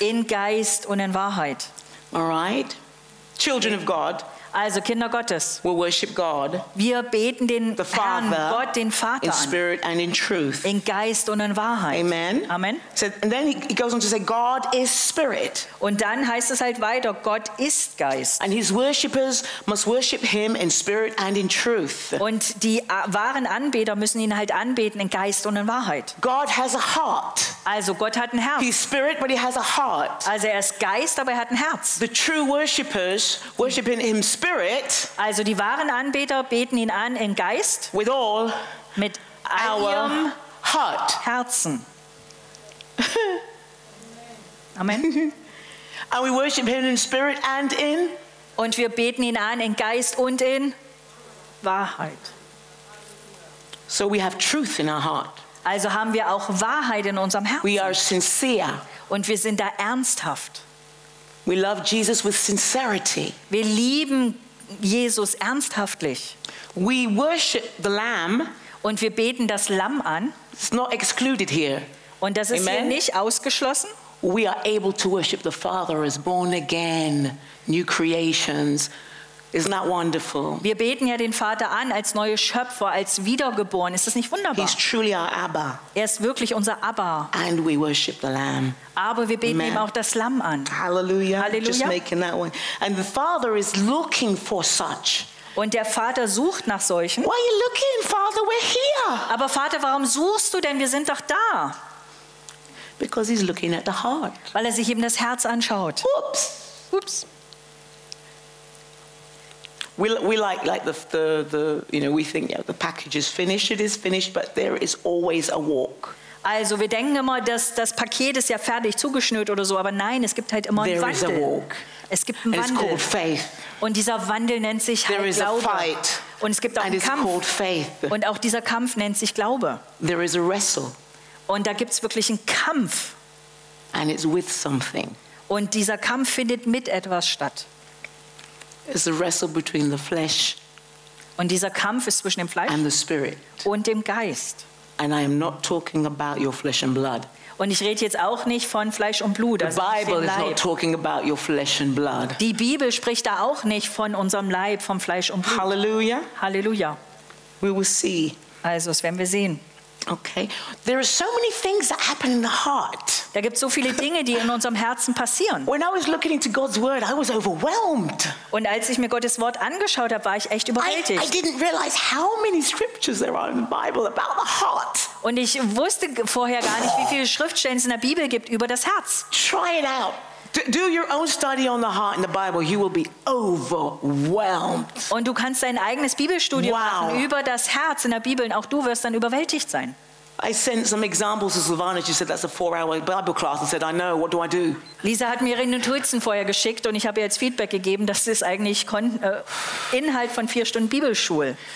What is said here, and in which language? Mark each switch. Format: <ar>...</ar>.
<de>In Geist und in Wahrheit.</de> <en>All right. Children of God,</en> <de>also Kinder Gottes,</de> <en>we worship God,</en> <de>wir beten den Herrn Gott, den Vater,</de> <en>in spirit and in truth.</en> <de>In Geist und in Wahrheit. Amen. Amen.</de> <en>So, and then he goes on to say, God is spirit.</en> <de>Und dann heißt es halt weiter, Gott ist Geist.</de> <en>And his worshippers must worship him in spirit and in truth.</en> <de>Und die wahren Anbeter müssen ihn halt anbeten in Geist und in Wahrheit.</de> <en>God has a heart.</en> <de>Also Gott hat ein Herz.</de> <en>He's spirit, but he has a heart.</en> <de>Also er ist Geist, aber er hat ein Herz.</de> <en>The true worshippers worship in him spirit.</en> <de>Also die wahren Anbeter beten ihn an in Geist.</de> <en>With all</en> <de>mit</de> <en>our</en> <de>ihrem</de> <en>heart.</en> <de>Herzen. Amen.</de> <en>And we worship him in spirit and in?</en> <de>Und wir beten ihn an in Geist und in Wahrheit.</de> <en>So we have truth in our heart.</en> <de>Also haben wir auch Wahrheit in unserem Herzen.</de> <en>We are sincere.</en> <de>Und wir sind da ernsthaft.</de> <en>We love Jesus with sincerity.</en> <de>Wir lieben Jesus ernsthaftlich.</de> <en>We worship the Lamb.</en> <de>Und wir beten das Lamm an.</de> <en>It's not excluded here.</en> <de>Und das ist Amen. Hier nicht ausgeschlossen.</de> <en>We are able to worship the Father as born again, new creations. Isn't that wonderful?</en> <de>Wir beten ja den Vater an als neue Schöpfer, als wiedergeboren. Ist das nicht wunderbar?</de> <en>He's truly our Abba.</en> <de>Er ist wirklich unser Abba.</de> <en>And we worship the Lamb.</en> <de>Aber wir beten ihm auch das Lamm an. Hallelujah. Hallelujah.</de> <en>Just making that one. And the Father is looking for such.</en> <de>Und der Vater sucht nach solchen.</de> <en>Why are you looking, Father? We're here.</en> <de>Aber Vater, warum suchst du denn? Wir sind doch da.</de> <en>Because he's looking at the heart.</en> <de>Weil er sich eben das Herz anschaut. Oops. Oops.</de> <en>We like the you know, we think, yeah, the package is finished, it is finished, but there is always a walk.</en> <de>Also wir denken immer, dass das Paket ist ja fertig zugeschnürt oder so, aber nein, es gibt halt immer einen Wandel.</de> <en>There is a walk.</en> <de>Es gibt einen Wandel.</de> <en>It's called faith.</en> <de>Und dieser Wandel nennt sich halt</de> <en>There is</en> <de>Glaube.</de> <en>A fight.</en> <de>Und es gibt auch</de> <en>And</en> <de>einen Kampf.</de> <en>Called faith.</en> <de>Und auch dieser Kampf nennt sich Glaube.</de> <en>There is a wrestle.</en> <de>Und da gibt's wirklich einen Kampf.</de> <en>And it's with something.</en> <de>Und dieser Kampf findet mit etwas statt.</de> <en>It's a wrestle between the flesh</en> <de>und dieser Kampf ist zwischen dem Fleisch</de> <en>and the spirit.</en> <de>Und dem Geist.</de> <en>And I am not talking about your flesh and blood.</en> <de>Und ich rede jetzt auch nicht von Fleisch und Blut.</de> <en>The Bible is not talking about your flesh and blood.</en> <de>Die Bibel spricht da auch nicht von unserem Leib, vom Fleisch und Blut. Hallelujah. Halleluja.</de> <en>We will see.</en> <de>Also, das werden wir sehen.</de> <en>Okay. There are so many things that happen in the heart.</en> <de>Da gibt's so viele Dinge, die in unserem Herzen passieren.</de> <en>When I was looking into God's word, I was overwhelmed.</en> <de>Und als ich mir Gottes Wort angeschaut habe, war ich echt überwältigt.</de> <en>I didn't realize how many scriptures there are in the Bible about the heart.</en> <de>Und ich wusste vorher gar nicht, wie viele Schriftstellen es in der Bibel gibt über das Herz.</de> <en>Try it out. Do your own study on the heart in the Bible. You will be overwhelmed.</en> <de>Und du kannst dein eigenes Bibelstudium machen über das Herz in der Bibel. Auch du wirst dann überwältigt sein.</de> <en>I sent some examples to Silvana. She said that's a 4-hour Bible class. I said, I know. What do I do?</en> <de>Lisa hat mir ihre Notizen vorher geschickt und ich habe ihr jetzt Feedback gegeben, dass es eigentlich Inhalt von 4 Stunden Bibelschullehre.</de>